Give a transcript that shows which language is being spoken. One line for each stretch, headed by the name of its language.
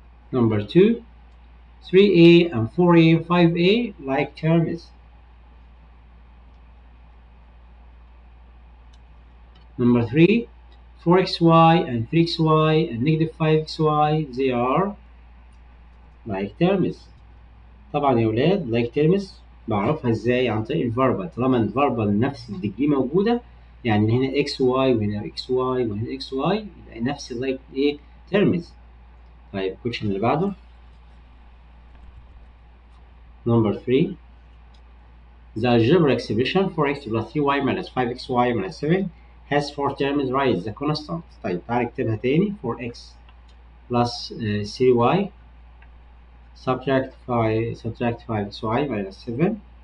English: Number 2. 3a and 4a and 5a like terms. Number 3, 4xy and 3xy and negative 5xy, they are like terms.
Arabic: طبعا يا ولاد like terms بعرفها ازاي؟ عن طريق الفاربل. طالما الفاربل نفس الديجري موجوده، يعني هنا xy وهنا xy وهنا xy، يبقى نفس like ايه terms. طيب question اللي بعده.
English: Number 3. The algebraic expression 4x plus 3y minus 5xy minus 7 has 4 terms, right? The constant.
Arabic: طيب تعال اكتبها تاني.
English: 4x plus 3y subtract 5xy minus 7.